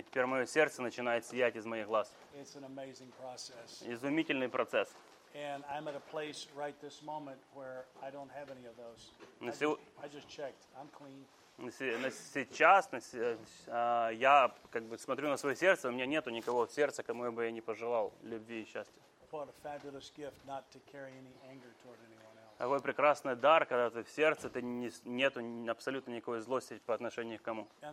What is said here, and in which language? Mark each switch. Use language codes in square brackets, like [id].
[ru] И теперь мое сердце начинает сиять из моих глаз. [en] It's an amazing process. [ru] Изумительный процесс. [en] And I'm at a place right this moment where I don't have any of those. I just checked. I'm clean. [ru] Сейчас я как бы смотрю на свое сердце, у меня нету никого в сердце, кому бы я не пожелал любви и счастья. [en] What a fabulous gift not to carry any anger toward anyone. [ru] Такой прекрасный дар, когда ты в сердце, ты нету абсолютно никакой злости по отношению к кому.